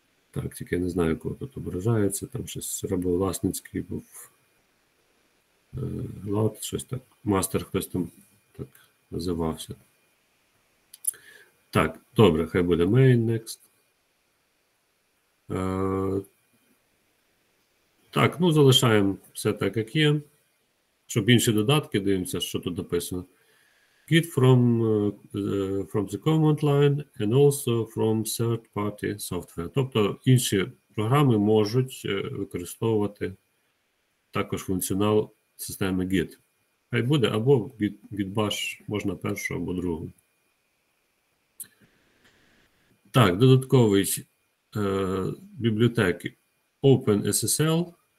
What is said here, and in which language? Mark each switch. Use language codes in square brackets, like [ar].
[uk] Так, тільки я не знаю, кого тут ображається, там щось рабовласницький був лад, щось так, master хтось там так називався. Так, добре, хай буде main next. Так, ну залишаємо все так, як є. Щоб інші додатки, дивимося, що тут написано. [en] Git from the command line and also from third party software. [uk] Тобто інші програми можуть використовувати також функціонал системи Git. Хай буде, або Git Bash можна першу або другу. Так, додаткові бібліотеки OpenSSL.